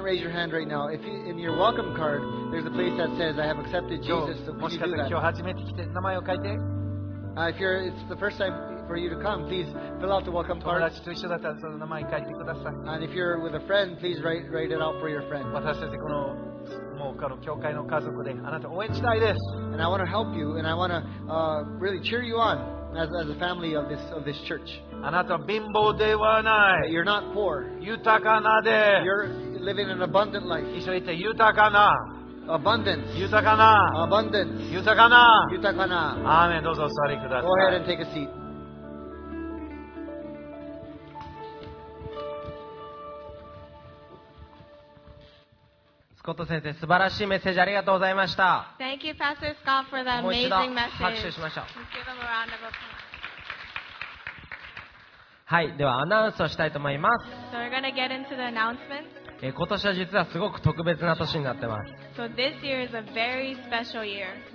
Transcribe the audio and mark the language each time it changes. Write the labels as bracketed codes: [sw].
[en] Maybe you couldn't raise your hand right now. If you, in your welcome card, there's a place that says I have accepted Jesus. So [ja] もしかしたら今日初めて来て名前を書いて。 [en] If you're, it's the first time for you to come, please fill out the welcome card. [ja] 友達と一緒だったらその名前書いてください。 [en] And if you're with a friend, please write it out for your friend. [ja] 私たちこのもうこの教会の家族であなたを応援したいです。 [en] And I want to help you, and I want to really cheer you on as a family of this church. [ja] あなた貧乏ではない。 [en] You're not poor. [ja] 豊かなで。 [en] You're living an abundant life. [ja] 一緒に言って豊かな。 [en] Abundance. [ja] 豊かな。 [en] Abundance. [ja] 豊かな。豊かな。アーメン。どうぞお座りください。 [en] Go ahead and take a seat. [ja] スコット先生、素晴らしいメッセージありがとうございました。 [en] Thank you, Pastor Scott, for that amazing message. [ja] もう一度拍手しましょう。 [en] Let's give him a round of applause. [ja] はい、ではアナウンスをしたいと思います。 [en] So we're gonna get into the announcements. [ja] 今年は実はすごく特別な年になってます。 [en] So this year is a very special year.